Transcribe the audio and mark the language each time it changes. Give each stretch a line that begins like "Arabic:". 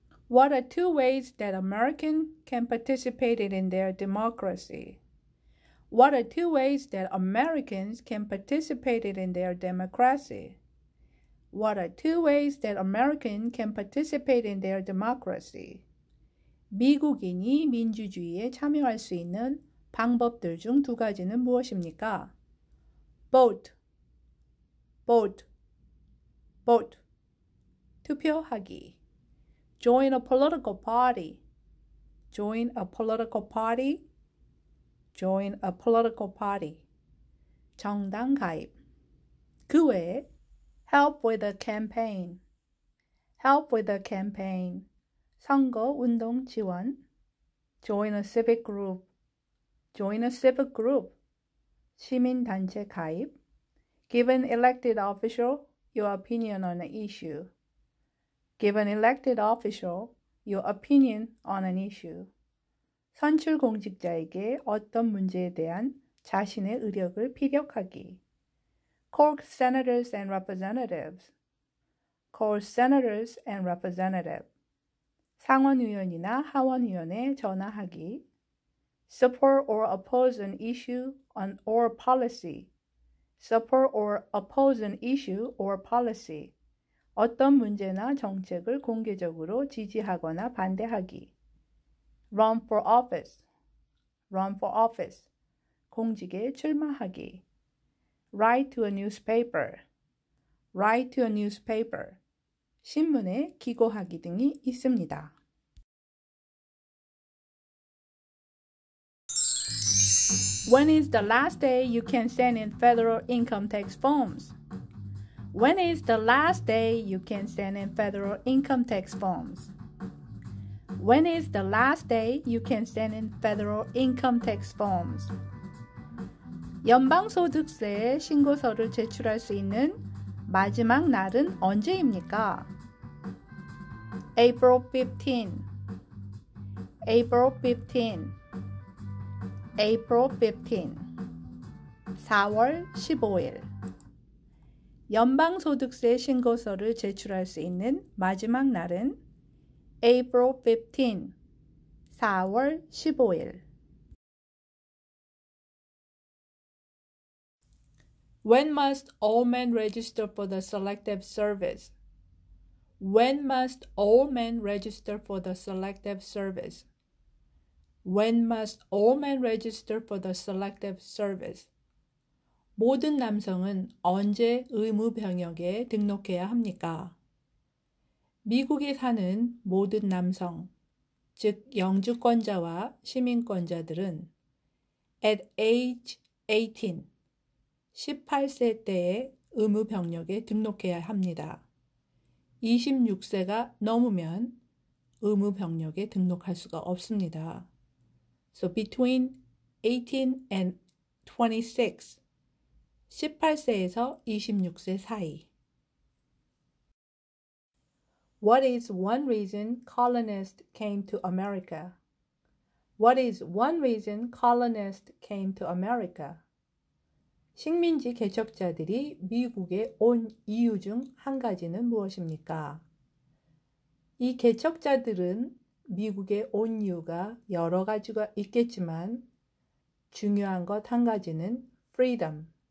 English: What are two ways that Americans can participate in their democracy? What are two ways that Americans can participate in their democracy? What are two ways that Americans can participate in their democracy?
Korean: 미국인이 민주주의에 참여할 수 있는 방법들 중 두 가지는 무엇입니까?
English: Vote. Vote. Vote.
Korean: 투표하기.
English: Join a political party. Join a political party. Join a political party.
Korean: 정당 가입. 그 외에
English: help with a campaign. Help with a campaign.
Korean: 선거 운동 지원.
English: Join a civic group. Join a civic group.
Korean: 시민단체 가입.
English: Give an elected official your opinion on an issue. Give an elected official your opinion on an issue.
Korean: 선출 공직자에게 어떤 문제에 대한 자신의 의력을 피력하기.
English: Call senators and representatives. Call senators and representatives.
Korean: 상원의원이나 하원의원에 전화하기.
English: Support or oppose an issue or policy. Support or oppose an issue or policy.
Korean: 어떤 문제나 정책을 공개적으로 지지하거나 반대하기.
English: Run for office. Run for office.
Korean: 공직에 출마하기.
English: Write to a newspaper. Write to a newspaper.
Korean: 신문에 기고하기 등이 있습니다.
English: When is the last day you can send in federal income tax forms? When is the last day you can send in federal income tax forms? When is the last day you can send in federal income tax forms?
Korean: 연방소득세 신고서를 제출할 수 있는 마지막 날은 언제입니까?
English: April 15. April 15. April 15.
Korean: 4월 15일. 연방소득세 신고서를 제출할 수 있는 마지막 날은
English: April 15.
Korean: 4월 15일.
English: When must all men register for the selective service? When must all men register for the selective service? When must all men register for the selective service?
Korean: 모든 남성은 언제 의무 병역에 등록해야 합니까? 미국에 사는 모든 남성, 즉 영주권자와 시민권자들은
English: at age 18,
Korean: 18세 때에 의무 병역에 등록해야 합니다. 26세가 넘으면 의무 병역에 등록할 수가 없습니다.
English: So between 18 and 26,
Korean: 18세에서 26세 사이.
English: What is one reason colonists came to America? What is one reason colonists came to America?
Korean: 식민지 개척자들이 미국에 온 이유 중 한 가지는 무엇입니까? 이 개척자들은 미국에 온 이유가 여러 가지가 있겠지만 중요한 것 한 가지는 freedom.